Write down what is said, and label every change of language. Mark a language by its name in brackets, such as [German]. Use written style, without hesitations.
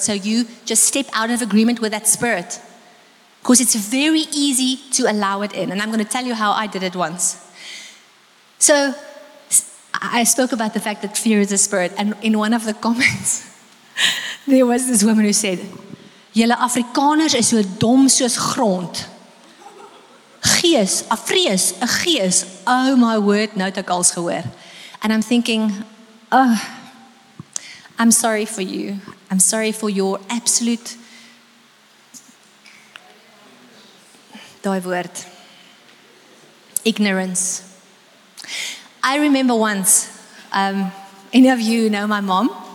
[English] So you just step out of agreement with that spirit because it's very easy to allow it in. And I'm going to tell you how I did it once. So I spoke about the fact that fear is a spirit, and in one of the comments, there was this woman who said, [Afrikaans] "Julle Afrikaners is so dom soos grond. Gees, afrees, 'n gees. [English] Oh my word, [Afrikaans] nou het ek als gehoor." [English] And I'm thinking, oh, I'm sorry for you. I'm sorry for your absolute, [Afrikaans] daai woord, [English] ignorance. I remember once, any of you know my mom?